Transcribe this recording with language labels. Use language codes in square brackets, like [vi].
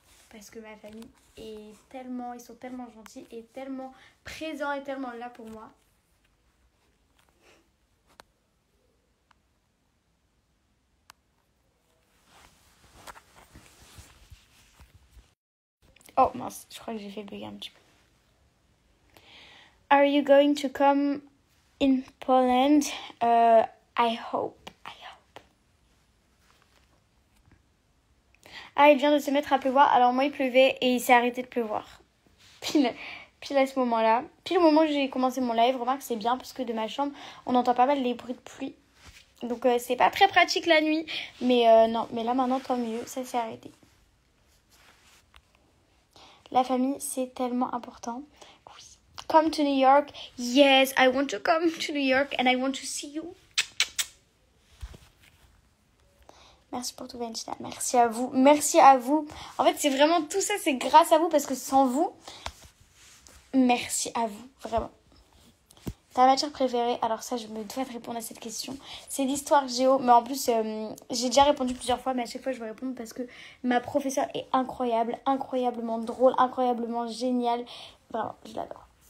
[fr] Parce que ma famille est tellement, ils sont tellement gentils et tellement présents et tellement là pour moi. Oh mince, je crois que j'ai fait bugger un petit peu. [en] Are you going to come in Poland? I hope. [fr] Ah, il vient de se mettre à pleuvoir. Alors moi, il pleuvait et il s'est arrêté de pleuvoir. Pile à ce moment-là. Pile au moment où j'ai commencé mon live. Remarque, c'est bien parce que de ma chambre, on entend pas mal les bruits de pluie. Donc c'est pas très pratique la nuit. Mais non, mais là maintenant, tant mieux, ça s'est arrêté. La famille, c'est tellement important. [en] Come to New York. Yes, I want to come to New York and I want to see you. [fr] Merci pour tout, Benjita. Merci à vous. Merci à vous. En fait, c'est vraiment tout ça, c'est grâce à vous parce que sans vous, merci à vous, vraiment. Ta matière préférée, alors ça, je me dois de répondre à cette question. C'est l'histoire géo, mais en plus, j'ai déjà répondu plusieurs fois, mais à chaque fois, je vais répondre parce que ma professeure est incroyable, incroyablement drôle, incroyablement géniale. Vraiment, je l'adore.